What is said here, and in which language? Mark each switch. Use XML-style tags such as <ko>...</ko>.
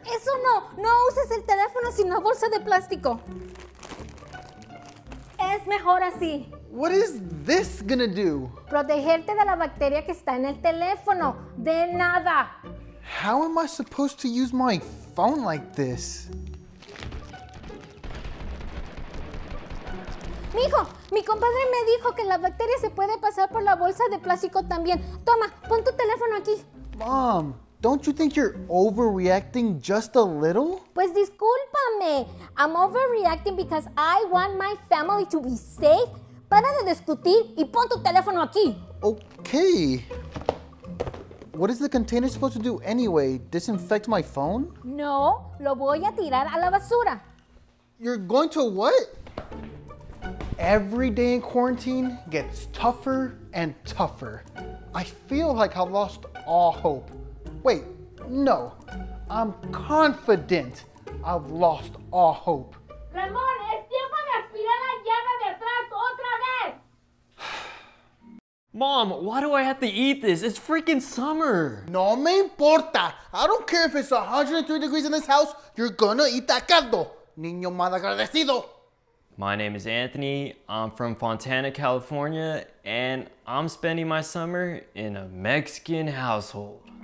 <es>Eso no, no uses el teléfono sin la bolsa de plástico. Es mejor así.</es> <en>What is this gonna do?</en> <es>Protegerte de la bacteria que está en el teléfono. De nada.</es> <en>How am I supposed to use my phone like this?</en> <es>Mijo, mi compadre me dijo que la bacteria se puede pasar por la bolsa de plástico también. Toma, pon tu teléfono aquí.</es> <en>Mom, don't you think you're overreacting just a little?</en> <es>Pues discúlpame.</es> <en>I'm overreacting because I want my family to be safe.</en> <es>Para de discutir y pon tu teléfono aquí.</es> <en>Okay. What is the container supposed to do anyway? Disinfect my phone?</en> <es>No, lo voy a tirar a la basura.</es> <en>You're going to what? Every day in quarantine gets tougher and tougher. I feel like I've lost all hope. Wait, no. I'm confident I've lost all hope.</en> <es>Ramon, es tiempo de aspirar la llave detrás otra vez!</es> <en>Mom, why do I have to eat this? It's freaking summer.</en> <es>No me importa.</es> <en>I don't care if it's 103 degrees in this house, you're gonna eat that caldo.</en> <es>Niño mal agradecido.</es> <en>My name is Anthony, I'm from Fontana, California, and I'm spending my summer in a Mexican household.</en>